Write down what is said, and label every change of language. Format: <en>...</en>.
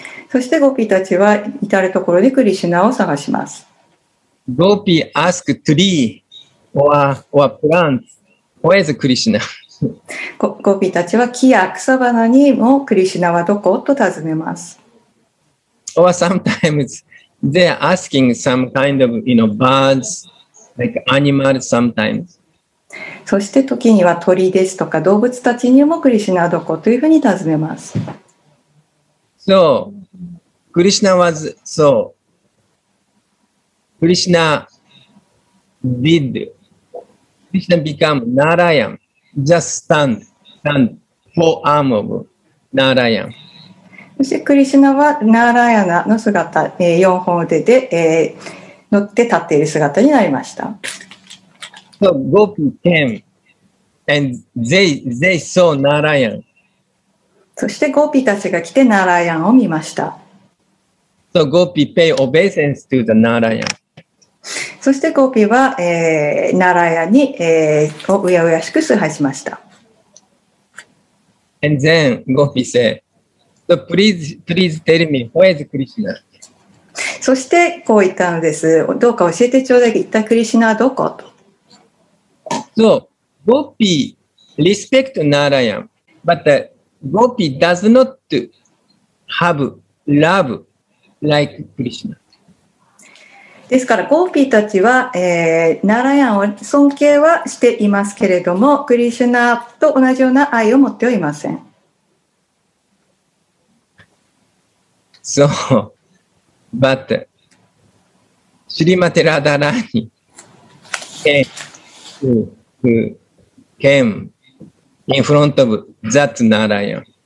<ja>そしてゴーピーたちは至るところでクリシナを探します。</ja> <en>Gopi ask tree. Or plants. Where is Krishna?</en> <ja>ゴピたちは木や草花にもクリシナはどこと尋ねます。</ja> <en>Or sometimes they are asking some kind of, you know, birds, like animals sometimes.</en> <ja>そして時には鳥ですとか動物たちにもクリシナはどこというふうに尋ねます。</ja> <en>So, Krishna was, so, Krishna did,Krishna became Narayan, just stand, four arm of Narayan.</en> <ja>そしてクリシナはナーラヤナの姿、四本腕で、乗って立っている姿になりました。</ja> <en>So Gopi came and they saw Narayan.</en> <ja>そしてゴピたちが来てナーラヤンを見ました。</ja> <en>So Gopi paid obeisance to the Narayan.</en> <ja>そしてゴーピーは、ナラヤに、をうやうやしく崇拝しました。</ja> <en>And then Gopi said, So please tell me, where is Krishna?</en> <ja>そしてこう言ったのです。どうか教えてちょうだい。一体クリシナはどこと。</ja> <en>So Gopi respect Narayan, but Gopi does not have love like Krishna.</en> <ja>ですからゴーピーたちは、ナラヤンを尊敬はしていますけれどもクリシュナと同じような愛を持ってはいません。</ja> <en>そう、so, but シリマテラダラニケンケンインフロントオブザッツナラヤン</en>